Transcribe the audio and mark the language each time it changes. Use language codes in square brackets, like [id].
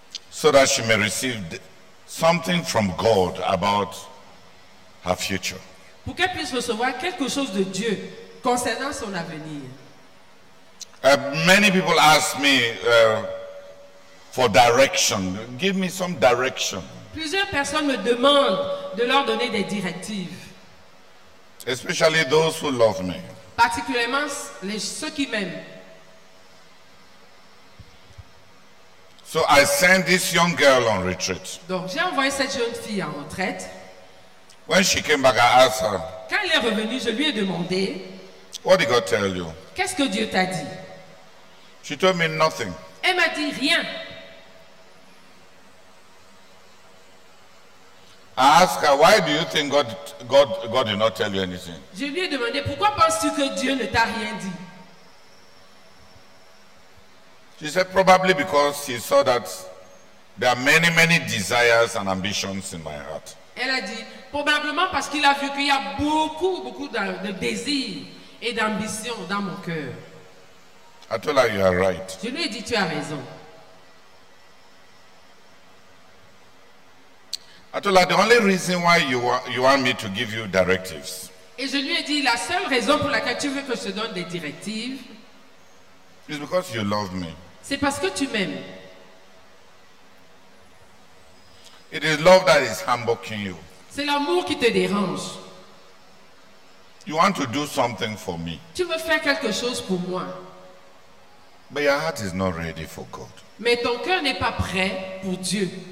[en] So that she may receive something from God about her future. [fr] Pour qu'elle puisse recevoir quelque chose de Dieu concernant son avenir. [en] Many people ask me for direction. Give me some direction. [fr] Plusieurs personnes me demandent de leur donner des directives. [en] Especially those who love me. [fr] Particulièrement ceux qui m'aiment. [en] So I sent this young girl on retreat. [fr] Donc j'ai envoyé cette jeune fille en retraite. [en] When she came back, I asked her, [fr] quand elle est revenue, je lui ai demandé, [en] what did God tell you? [fr] Qu'est-ce que Dieu t'a dit? [en] She told me nothing. [fr] Elle m'a dit rien. [en] I ask her, why do you think God did not tell you anything? [fr] Je lui ai demandé, pourquoi penses-tu que Dieu ne t'a rien dit? [en] She said, probably because he saw that there are many, many desires and ambitions in my heart. [fr] Elle a dit, probablement parce qu'il a vu qu'il y a beaucoup, beaucoup de désirs et d'ambitions dans mon cœur. [en] I told her, you are right. [fr] Je lui ai dit, tu as raison. [en] I told her, the only reason why you want me to give you directives. [fr] Et je lui ai dit, la seule raison pour laquelle tu veux que je te donne des directives. [en] Is because you love me. [fr] C'est parce que tu m'aimes. [en] It is love that is humbling you. [fr] C'est l'amour qui te dérange. [en] You want to do something for me. [fr] Tu veux faire quelque chose pour moi. [en] But your heart is not ready for God. [fr] Mais ton cœur n'est pas prêt pour Dieu.